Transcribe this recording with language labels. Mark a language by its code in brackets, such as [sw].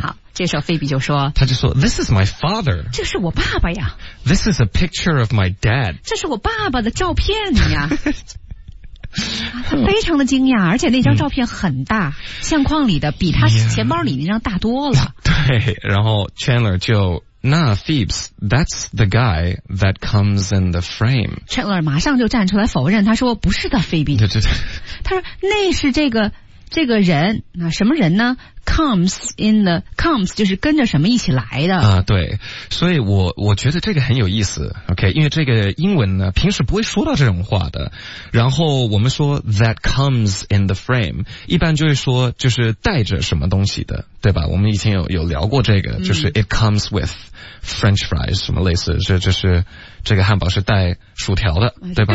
[zh] 好。这时候菲比就说，他就说 [en] This is my father， [zh] 这是我爸爸呀。 [en] This is a picture of my dad， [zh] 这是我爸爸的照片呀。他非常的惊讶，而且那张照片很大，相框里的比他钱包里那张大多了。对，然后 [en] Chandler 就那 Phoebs, that's the guy that comes in the frame. [zh] Chandler 马上就站出来否认，他说不是的 Phoebe。对对对，他说那是这个人，那什么人呢？ comes 就是跟着什么一起来的啊，对，所以我觉得这个很有意思 ，OK， 因为这个英文呢平时不会说到这种话的。然后我们说 [en] that comes in the frame， [zh] 一般就会说就是带着什么东西的，对吧？我们以前有聊过这个，就是 [en] it comes with French fries [zh] 什么类似，就是这个汉堡是带薯条的，对吧？